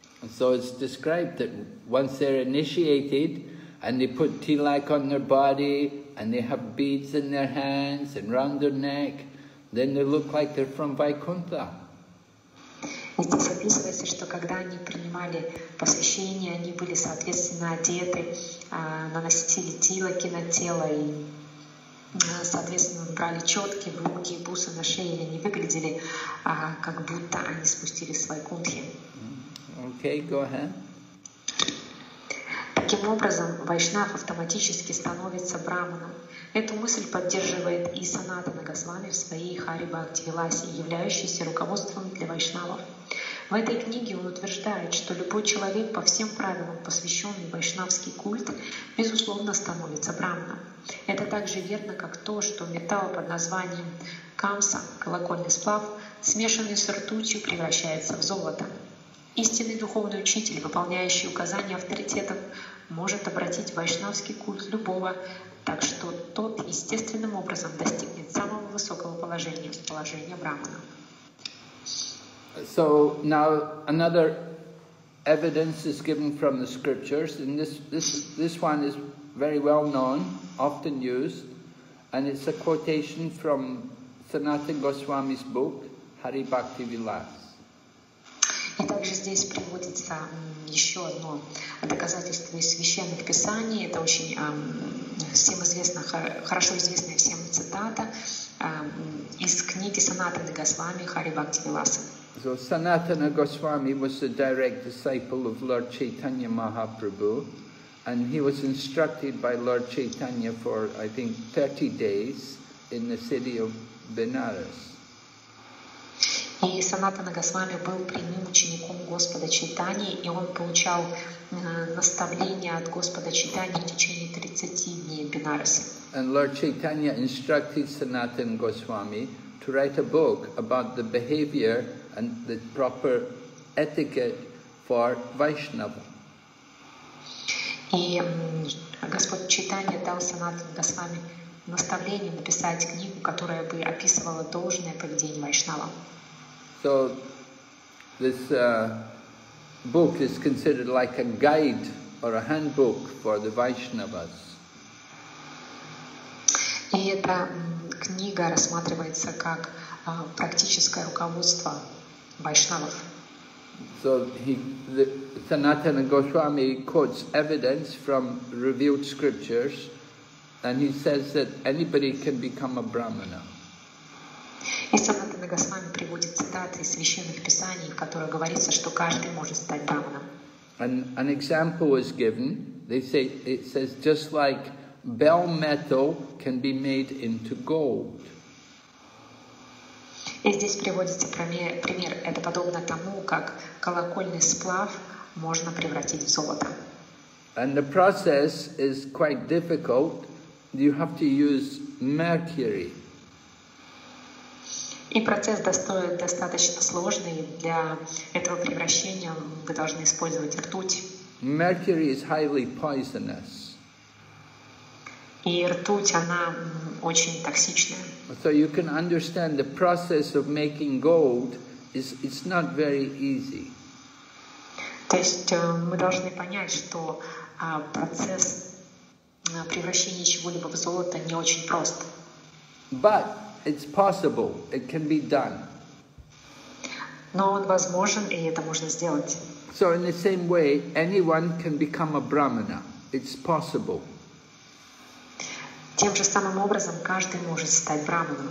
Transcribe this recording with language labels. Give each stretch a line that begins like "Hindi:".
English: So it's described that once they're initiated and they put tilak on their body and they have beads in their hands and round their neck, then they look like they're from Vaikuntha.
Russian: Здесь описывается, что когда они принимали посвящение, они были соответственно одеты, наносили тилаки на тело и соответственно брали четки в руки и бусы на шее, и они выглядели, как будто они спустились с Вайкунтхи.
English: Okay, go ahead.
Russian: Таким образом, вайшнав автоматически становится браманом. Эту мысль поддерживает и Санатана Госвами в своей Хари Бхакти Виласе, являющейся руководством для вайшнавов. В этой книге он утверждает, что любой человек по всем правилам, посвященный вайшнавский культ, безусловно становится браманом. Это также верно, как то, что металл под названием камса, колокольный сплав, смешанный с ртутью, превращается в золото. Истинный духовный учитель, выполняющий указания авторитетов, может обратить вайшнавский культ любого, так что тот естественным образом достигнет самого высокого положения, положения брахмана.
English: So now another evidence is given from the scriptures, and this one is very well known, often used, and it's a quotation from Sanatana Goswami's book Hari Bhakti Vilas.
Russian: И также здесь приводится еще одно доказательство из священных писаний. Это очень всем известно, хорошо известная всем цитата из книги Санатана Госвами Хари Бхакти Виласа.
English: So Sanatana Goswami was a direct disciple of Lord Chaitanya Mahaprabhu, and he was instructed by Lord Chaitanya for I think 30 days in the city of Benares.
Russian: И Санатана Госвами был прямым учеником Господа Чайтани, и он получал наставления от Господа Чайтани в течение 30 дней в Бенарасе.
English: And Lord Chaitanya instructed Sanatana Goswami to write a book about the behavior and the proper etiquette for Vaishnava.
Russian: И Господь Чайтани дал Санатана Госвами наставление написать книгу, которая бы описывала должное поведение Вайшнава.
English: So this book is considered like a guide or a handbook for the Vaishnavas.
Russian: И эта книга рассматривается как практическое руководство вайшнавов.
English: So Sanatana Goswami quotes evidence from revealed scriptures, and he says that anybody can become a brahmana.
Russian: И Санатана Госвами приводит цитаты из священных писаний, в которых говорится, что каждый может стать браманом.
English: An example was given. They say it says just like bell metal can be made into gold.
Russian: И здесь приводится пример. Это подобно тому, как колокольный сплав можно превратить в золото.
English: And the process is quite difficult. You have to use mercury.
Russian: И процесс достаточно сложный. Для этого превращения вы должны использовать ртуть.
English: Mercury is highly poisonous.
Russian: И ртуть, она очень токсичная.
English: So you can understand the process of making gold is it's not very easy.
Russian: То есть мы должны понять, что процесс превращения чего-либо в золото не очень прост.
English: But it's possible, it can be done.
Russian: Но он возможен, и это можно сделать.
English: So in the same way, anyone can become a brahmana. It's possible.
Russian: Тем же самым образом, каждый может стать брахманом.